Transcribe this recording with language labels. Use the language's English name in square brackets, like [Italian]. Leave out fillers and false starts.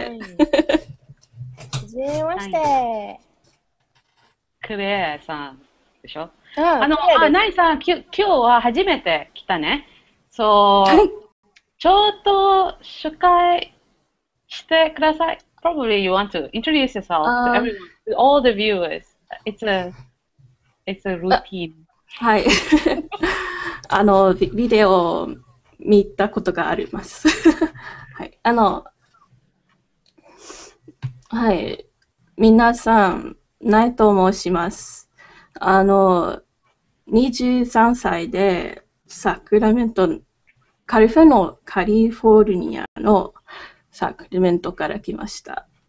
[Japanese] はじめまして。クレアさん。でしょ。あの、ナイさん、今日は初めて来たね。そう、はい、ちょっと紹介してください。 [English] Probably you want to introduce yourself to everyone, to all the viewers. It's a routine. [Japanese] はい。あの、ビデオを見たことがあります。はい。あの、はい。みなさん、ナイと申します。あの、23歳でサクラメント、カリフォルニアのサクラメントから来ました。